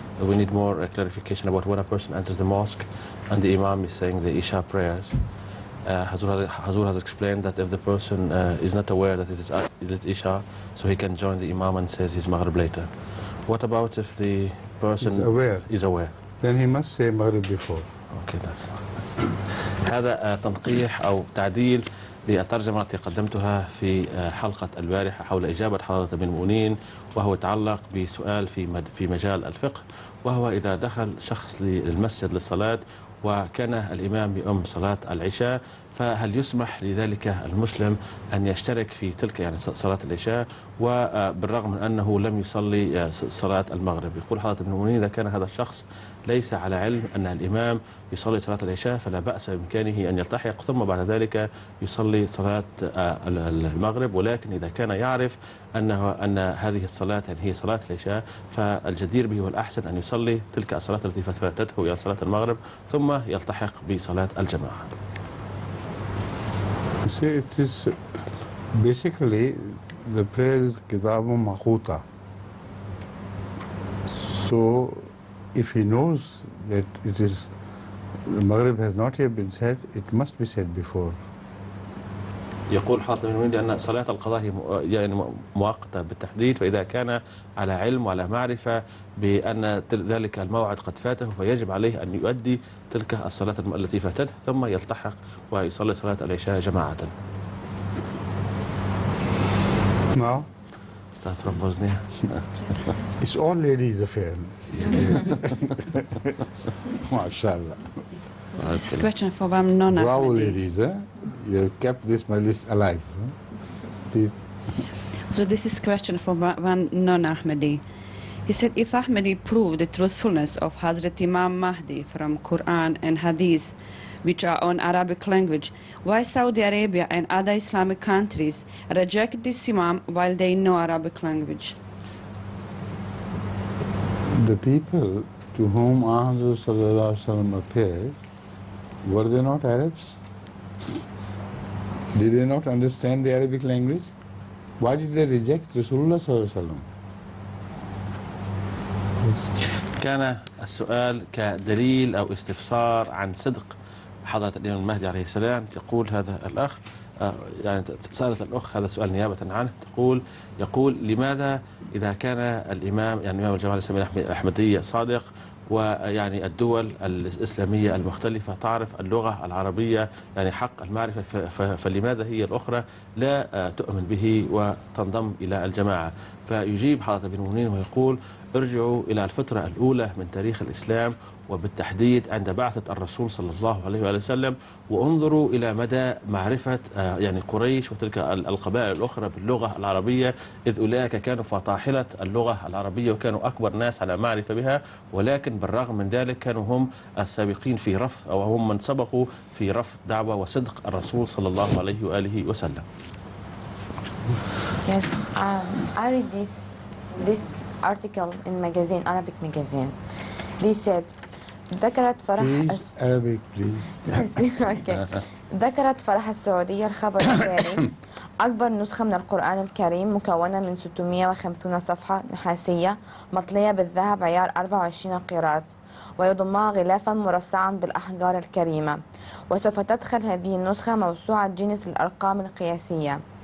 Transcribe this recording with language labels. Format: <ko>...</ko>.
<en>We need more clarification about when a person enters the mosque and the imam is saying the Isha prayers. Hazur has explained that if the person is not aware that it is Isha, so he can join the imam and says his Maghrib later. What about if the person is aware? Then he must say Maghrib before. Okay, that's</en> <ar>هذا تنقيح أو تعديل للترجمة التي قدمتها في حلقة البارحة حول إجابة حضرة أمير المؤمنين، وهو يتعلق بسؤال في مجال الفقه، وهو إذا دخل شخص للمسجد للصلاة وكان الإمام يؤم صلاة العشاء، فهل يسمح لذلك المسلم أن يشترك في تلك يعني صلاة العشاء وبالرغم من أنه لم يصلي صلاة المغرب؟ يقول حضرة أمير المؤمنين إذا كان هذا الشخص ليس على علم أن الإمام يصلي صلاة العشاء فلا بأس بإمكانه أن يلتحق ثم بعد ذلك يصلي صلاة المغرب، ولكن إذا كان يعرف أن هذه الصلاة يعني هي صلاة العشاء فالجدير به والأحسن أن يصلي تلك الصلاة التي فاتته هي صلاة المغرب ثم يلتحق بصلاة الجماعة.</ar> <en>You see, it is basically the prayer is kitabu makhuta. So, if he knows that it is the Maghrib has not yet been said, it must be said before.</en> <ar>يقول حاتم المندي أن صلاة القضاء هي يعني مؤقتة بالتحديد، فإذا كان على علم وعلى معرفة بأن ذلك الموعد قد فاته فيجب عليه أن يؤدي تلك الصلاة التي فاتته ثم يلتحق ويصلي صلاة العشاء جماعة. نعم. استاذ</ar> <en>from Bosnia. It's all ladies affair.</en> <ar>ما شاء الله.</ar> <en>This question for Vam Nona. Bravo, ladies. You kept this my list alive. Please. So this is question for Vam Nona Ahmadi. He said, if Ahmadi proved the truthfulness of Hazrat Imam Mahdi from Quran and Hadith, which are on Arabic language, why Saudi Arabia and other Islamic countries reject this Imam while they know Arabic language? The people to whom Ahmadi Sallallahu Alaihi Wasallam appeared, were they not Arabs? Did they not understand the Arabic language? Why did they reject Rasulullah sallallahu alaihi wasallam?</en> <ar>كان السؤال كدليل أو استفسار عن صدق حضرة الإمام المهدي عليه السلام. يقول هذا الأخ يعني سألت الأخ هذا السؤال نيابة عنه، يقول لماذا إذا كان الإمام يعني إمام الجماعة الإسلامية الأحمدية صادق ويعني الدول الإسلامية المختلفة تعرف اللغة العربية يعني حق المعرفة فلماذا هي الأخرى لا تؤمن به وتنضم إلى الجماعة؟ فيجيب حضرة أمير المؤمنين ويقول ارجعوا إلى الفترة الأولى من تاريخ الإسلام وبالتحديد عند بعثة الرسول صلى الله عليه وسلم وانظروا إلى مدى معرفة يعني قريش وتلك القبائل الأخرى باللغة العربية، إذ أولئك كانوا فطاحلة اللغة العربية وكانوا أكبر ناس على معرفة بها، ولكن بالرغم من ذلك كانوا هم السابقين في رفض أو هم من سبقوا في رفض دعوة وصدق الرسول صلى الله عليه وآله وسلم.</ar> <en>Yes, I read this article in magazine, Arabic magazine. They said,</en> <ar>ذكرت فرح</ar> <en>Arabic, please. Okay.</en> <ar>ذكرت فرح السعودية الخبر الثاني أكبر نسخة من القرآن الكريم مكونة من 650 صفحة نحاسية مطلية بالذهب عيار 24 قيراط ويضمها غلافا مرصعا بالأحجار الكريمة، وسوف تدخل هذه النسخة موسوعة جينيس الأرقام القياسية.</ar>